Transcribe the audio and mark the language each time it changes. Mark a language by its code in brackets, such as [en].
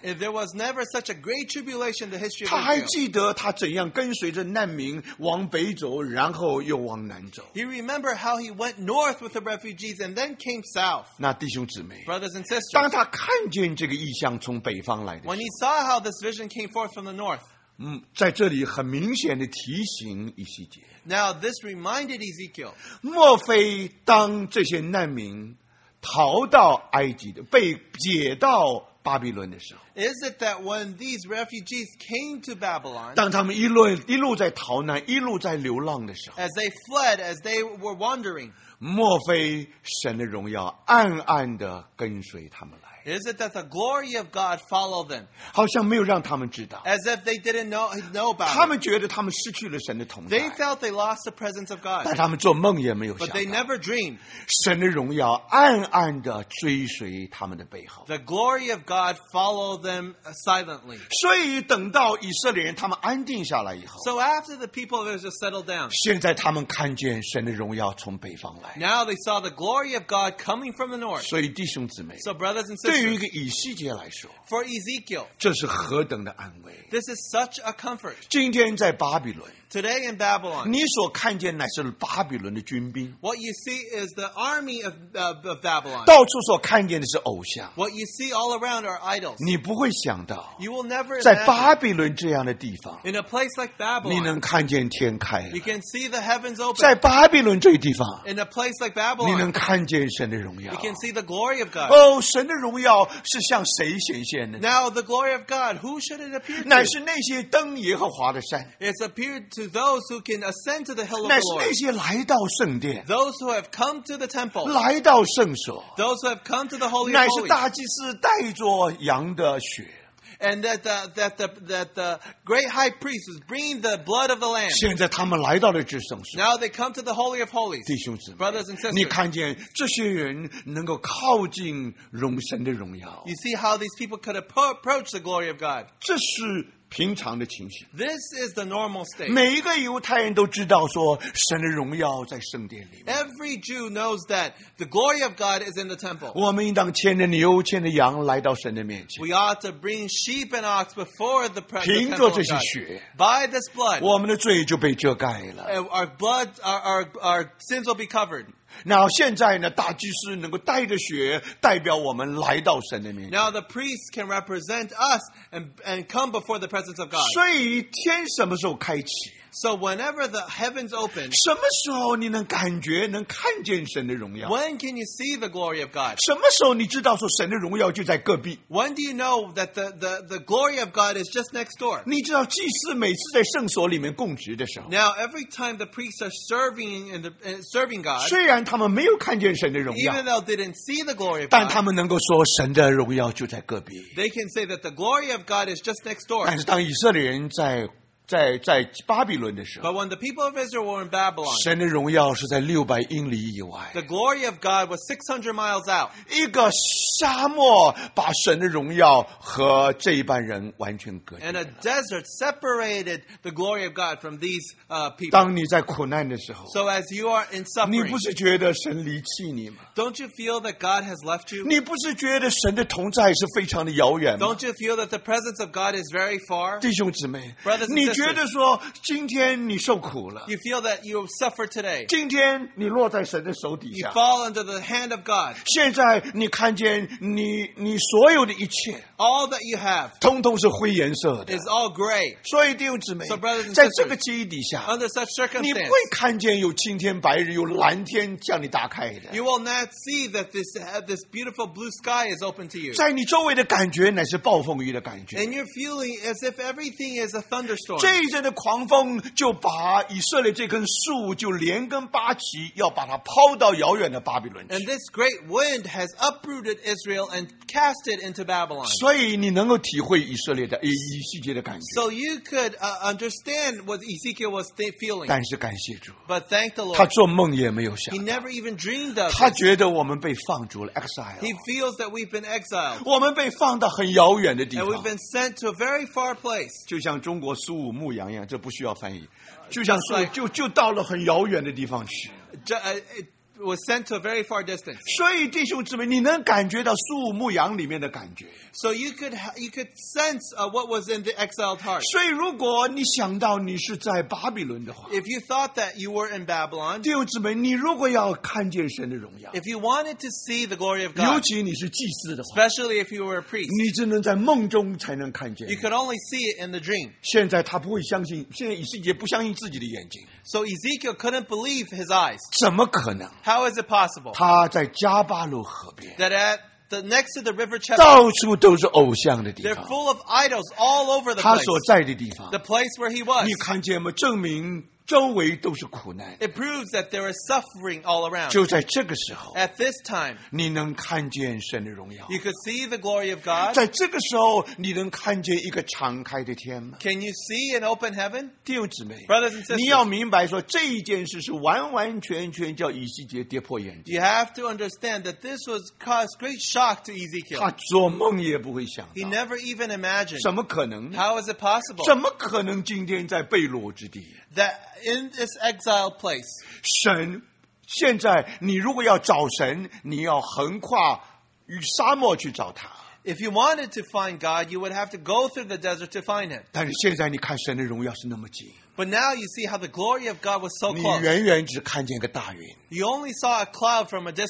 [en] If there was never such a great tribulation in the history of [zh] Israel. 他还记得他怎样跟随着难民往北走，然后又往南走。 [en] He remembered how he went north with the refugees and then came south. [zh] 那弟兄姊妹 [en] ，brothers and sisters， [zh] 当他看见这个异象从北方来的时候 [en] ，when he saw how this vision came forth from the north. [zh] 在这里很明显的提醒以西结。 [en] Now this reminded Ezekiel. [zh] 莫非当这些难民逃到埃及的，被解到巴比伦的时候 [en] ，Is it that when these refugees came to Babylon? [zh] 当他们一路在逃难，一路在流浪的时候 [en] ，As they fled, as they were wandering. [zh] 莫非神的荣耀暗暗地跟随他们来？ [en] Is it that the glory of God followed them? [zh] 好像没有让他们知道。 [en] As if they didn't know about it. [zh] 他们觉得他们失去了神的同在。 [en] They felt they lost the presence of God. [zh] 但他们做梦也没有想到。 [en] But they never dreamed. [zh] 神的荣耀暗暗地追随他们的背后。 [en] The glory of God followed them silently. [zh] 所以等到以色列人他们安定下来以后。 [en] So after the people of Israel settled down. [zh] 现在他们看见神的荣耀从北方来。 [en] Now they saw the glory of God coming from the north. [zh] 所以弟兄姊妹。 [en] So brothers and sisters. [zh] 对于一个以西结来说 [en] For Ezekiel, [zh] 这是何等的安慰 [en] This is such a comfort. [zh] 今天在巴比伦 [en] Today in Babylon, [zh] 你所看见乃是巴比伦的军兵 [en] What you see is the army of Babylon. [zh] 到处所看见的是偶像 [en] What you see all around are idols. [zh] 你不会想到 [en] You will never imagine, [zh] 在巴比伦这样的地方 [en] In a place like Babylon, [zh] 你能看见天开 [en] You can see the heavens open. [zh] 在巴比伦这地方 [en] In a place like Babylon, [zh] 你能看见神的荣耀 [en] You can see the glory of God. [zh] 神的荣耀是向谁显现的 [en] Now the glory of God, who should it appear to? [zh] 乃是那些登耶和华的山 [en] It's appeared to those who can ascend to the hill of the [zh] Lord. 乃是那些来到圣殿 [en] Those who have come to the temple. [zh] 来到圣所 [en] Those who have come to the holy place. [zh] 乃是大祭司带着羊的血 [en] And that the great high priest is bringing the blood of the lamb. [zh] 现在他们来到了至圣所 [en] Now they come to the holy of holies. [zh] 弟兄姊妹 [en] brothers and sisters, [zh] 你看见这些人能够靠近荣神的荣耀 [en] You see how these people could approach the glory of God. [zh] 这是平常的情形 [en] This is the normal state. [zh] 每一个犹太人都知道说神的荣耀在圣殿里面 [en] Every Jew knows that the glory of God is in the temple. [zh] 我们应当牵着牛牵着羊来到神的面前 [en] We ought to bring sheep and ox before the temple of God. [zh] 凭着这些血 [en] By this blood. [zh] 我们的罪就被遮盖了 [en] Our sins will be covered. [zh] 那现在呢大祭司能够带着血代表我们来到神的面前 [en] Now the priest can represent us and come before the presence of God [zh] 所以天什么时候开启 [en] So whenever the heavens open [zh] 什么时候你能感觉能看见神的荣耀 [en] When can you see the glory of God [zh] 什么时候你知道说神的荣耀就在隔壁 [en] When do you know that the glory of God is just next door [zh] 你知道祭司每次在圣所里面供职的时候 [en] Now every time the priests are serving God [zh] 虽然他们没有看见神的荣耀 [en] Even though they didn't see the glory of God, [zh] 但他们能够说神的荣耀就在隔壁 [en] They can say that the glory of God is just next door [zh] 但是当以色列人在巴比伦的时候 [en] But when the people of Israel were in Babylon [zh] 神的荣耀是在600英里以外 [en] The glory of God was 600 miles out [zh] 一个沙漠把神的荣耀和这一般人完全隔绝 [en] And a desert separated the glory of God from these people [zh] 当你在苦难的时候 [en] So as you are in suffering [zh] 你不是觉得神离弃你吗 [en] Don't you feel that God has left you? [zh] 你不是觉得神的同在是非常的遥远吗 [en] Don't you feel that the presence of God is very far? [zh] 弟兄姊妹 [en] Brothers and sisters [zh] 你觉得说今天你受苦了 [en] You feel that you have suffered today [zh] 今天你落在神的手底下 [en] You fall under the hand of God [zh] 现在你看见你所有的一切 [en] All that you have [zh] 通通是灰颜色的 [en] Is all gray [zh] 所以弟兄姊妹 [en] So brothers and sisters [zh] 在这个基底下 [en] Under such circumstances [zh] 你不会看见有青天白日有蓝天向你打开的 [en] You will not see that this beautiful blue sky is open to you [zh] 在你周围的感觉乃是暴风雨的感觉 [en] And you're feeling as if everything is a thunderstorm [zh] 这一阵的狂风就把以色列这根树就连根拔起要把它抛到遥远的巴比伦去 [en] And this great wind has uprooted Israel and cast it into Babylon [zh] 所以你能够体会以色列的以西结的感觉 [en] So you could understand what Ezekiel was feeling [zh] 但是感谢主 [en] But thank the Lord [zh] 他做梦也没有想 [en] He never even dreamed of [zh] 他觉得我们被放逐了 exile [en] He feels that we've been exiled [zh] 我们被放到很遥远的地方 [en] And we've been sent to a very far place [zh] 就像中国苏牧羊一样，这不需要翻译，就像说，就到了很遥远的地方去。 [en] Was sent to a very far distance. [zh] 所以弟兄姊妹，你能感觉到苏武牧羊里面的感觉。 [en] So you could sense what was in the exiled heart. [zh] 所以如果你想到你是在巴比伦的话 [en] ，If you thought that you were in Babylon， [zh] 弟兄姊妹，你如果要看见神的荣耀 [en] ，If you wanted to see the glory of God， [zh] 尤其你是祭司的话 [en] ，Especially if you were a priest， [zh] 你只能在梦中才能看见。 [en] You could only see it in the dream. [zh] 现在他不会相信，现在以西结不相信自己的眼睛。 [en] So Ezekiel couldn't believe his eyes. [zh] 怎么可能？ [en] How is it possible? [zh] 他在加巴路河边。 [en] That at the next to the river Chebar. [zh] 到处都是偶像的地方。 [en] They're full of idols all over the place. [zh] 他所在的地方。 [en] The place where he was. [zh] 你看见吗？证明周围都是苦难。 [en] It proves that there is suffering all around. [zh] 就在这个时候。 [en] At this time. [zh] 你能看见神的荣耀。 [en] You could see the glory of God. [zh] 在这个时候，你能看见一个敞开的天吗 [en] ？Can you see an open heaven? [zh] 弟兄姊妹。 [en] Brothers and sisters. [zh] 你要明白说，这一件事是完完全全叫以西结跌破眼镜。 [en] You have to understand that this was caused great shock to Ezekiel. [zh] 他做梦也不会想到。 [en] He never even imagined. [zh] 怎么可能呢 [en] ？How is it possible? [zh] 怎么可能今天在被掳之地 [en] ？That in this exile place [zh] 神现在你如果要找神你要横跨沙漠去找他。 [en] If you wanted to find God, you would have to go through the desert to find him. [zh] 但是现在你看神的荣耀是那么近。 [en] But now you see how the glory of God was so close. [zh] 你远远只看见个大云。 [en] You only saw a cloud from a distance.